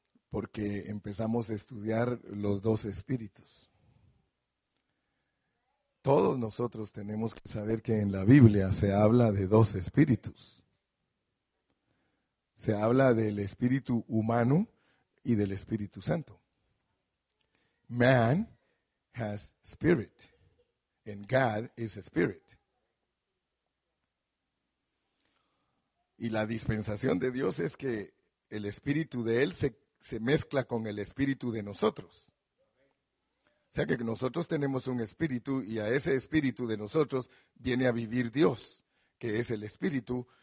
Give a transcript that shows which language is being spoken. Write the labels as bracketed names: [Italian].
[Spanish] Porque empezamos a estudiar los dos espíritus. Todos nosotros tenemos que saber que en la Biblia se habla de dos espíritus. Se habla del espíritu humano y del Espíritu Santo. [English] Man has spirit, and God is a spirit. [Spanish] Y la dispensación de Dios es que el espíritu de Él se mezcla con el espíritu de nosotros. O sea que nosotros tenemos un espíritu y a ese espíritu de nosotros viene a vivir Dios, que es el espíritu.